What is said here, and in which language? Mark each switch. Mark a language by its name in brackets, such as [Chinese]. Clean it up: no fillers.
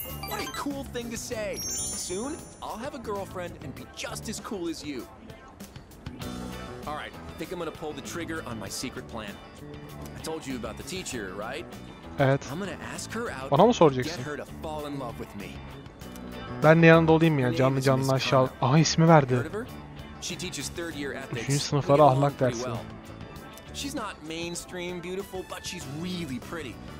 [English] What a cool thing to say. Soon, I'll have a girlfriend and be just as cool as you. All right, I think I'm gonna pull the trigger on my secret plan. I told you about the teacher, right? [Turkish] Evet. [English] I'm gonna ask her out. [Turkish] Bana mı soracaksın? [English] Get her to fall in love with me. [Turkish] Ben de yanında olayım ya, canlı canlı aşağı. Aha, ismi verdi. [English] She teaches third year ethics. [Turkish] Üçüncü sınıflara ahlak dersi. [English] She's not mainstream beautiful, but she's really pretty.